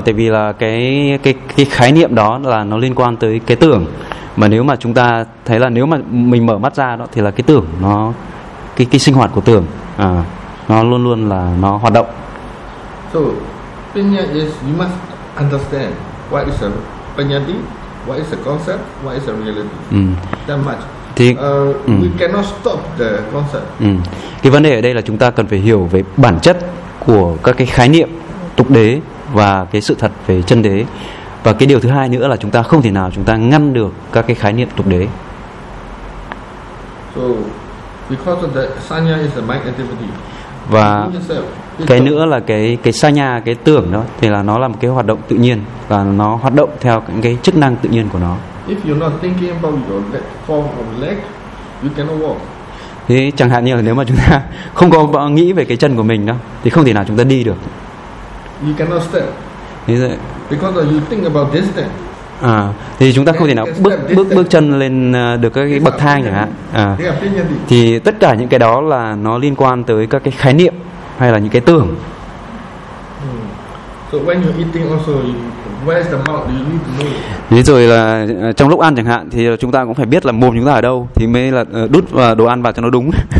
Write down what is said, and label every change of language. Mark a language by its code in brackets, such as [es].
[vi] tại vì là cái khái niệm đó là nó liên quan tới cái tưởng, mà nếu mà chúng ta thấy là nếu mà mình mở mắt ra đó thì là cái tưởng nó, cái sinh hoạt của tưởng nó luôn luôn là nó hoạt động. [en] So panya is, you must understand what is a panyati, what is a concept, what is a reality. That much. We cannot stop the concept. [vi] Cái vấn đề ở đây là chúng ta cần phải hiểu về bản chất của các cái khái niệm tục đế và cái sự thật về chân đế. Và cái điều thứ hai nữa là chúng ta không thể nào chúng ta ngăn được các cái khái niệm tục đế. [en] So because of the sanya is a mind activity. [vi] Và cái nữa là cái sanya, cái tưởng đó thì là nó là một cái hoạt động tự nhiên và nó hoạt động theo những cái chức năng tự nhiên của nó. [en] If you're not thinking about your leg, form of leg, you cannot walk. [vi] Thế chẳng hạn như là nếu mà chúng ta không có nghĩ về cái chân của mình đó thì không thể nào chúng ta đi được. [en] You cannot step. Because you think about this thing. [vi] Thì chúng ta không thể nào bước chân lên được các cái bậc thang chẳng hạn. Thì tất cả những cái đó là nó liên quan tới các cái khái niệm hay là những cái tưởng. [en] So when you're eating also, where is the mouth, you need to know. [vi] Thế rồi là trong lúc ăn chẳng hạn thì chúng ta cũng phải biết là mồm chúng ta ở đâu thì mới là đút đồ ăn vào cho nó đúng.